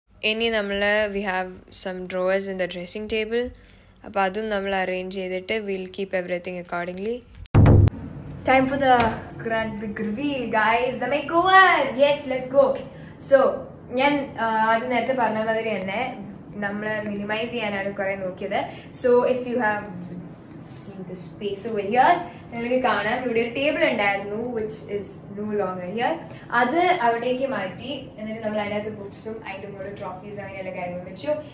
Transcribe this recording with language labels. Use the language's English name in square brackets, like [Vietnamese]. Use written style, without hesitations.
[Malayalam] ഇനി നമ്മൾ [English] We have some drawers in the dressing table. [Malayalam] അപ്പോൾ അതും നമ്മൾ അറേഞ്ച് ചെയ്തിട്ട് [English] Will keep everything accordingly. Time for the grand big reveal, guys. The makeover. Yes, let's go. [Malayalam] So, ഞാൻ ആദ്യം നേരത്തെ പറഞ്ഞ മാതിരി തന്നെ നമ്മൾ മിനിമൈസ് ചെയ്യാനാണ് കുറെ നോക്കിയത്. [English] so if you have seen the space over here, [Malayalam] നിങ്ങൾക്ക് കാണാം ഇവിടെ ഒരു ടേബിൾ ഉണ്ടായിരുന്നു [English] Which is no longer here. [Malayalam] അത് അവിടേക്ക് മാറ്റി, എന്നിട്ട് നമ്മൾ അതിനകത്ത് ബുക്സും അതിൻ്റെ മുകളിൽ ട്രോഫീസും അങ്ങനെയുള്ള കാര്യങ്ങളും വെച്ചു.